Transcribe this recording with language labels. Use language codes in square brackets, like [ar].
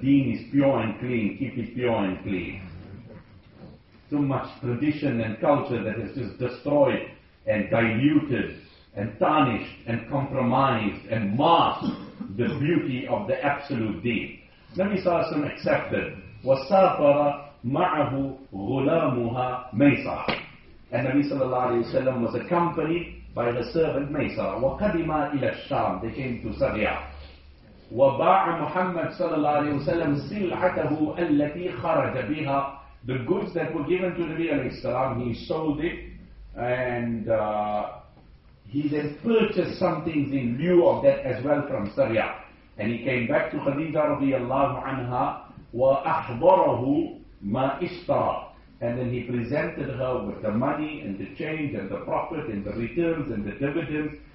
[en] Deen is pure and clean. Keep it pure and clean. Too much tradition and culture that has just destroyed and diluted and tarnished and compromised and masked the beauty of the absolute deen. Nabi Sallallahu Alaihi Wasallam accepted. [ar] وَسَافَرَ مَعَهُ غُلَامُهَا مَيْسَرَ. [en] And Nabi Sallallahu Alaihi Wasallam was accompanied by the servant Maysara. [ar] وَقَدِمَا إِلَى الشَّامِ. [en] They came to Syria. [ar] وَبَاعَ مُحَمَّدْ Sallallahu Alaihi Wasallam سِلْعَتَهُ الَّتِي خَرَجَ بِهَا. [en] The goods that were given to Nabi Alaihi Wasallam, he sold it and he then purchased some things in lieu of that as well from Syria. And he came back to Khadija radiallahu anha, [ar] wa ahbarahu Ma ishtara. [en] And then he presented her with the money and the change and the profit and the returns and the dividends.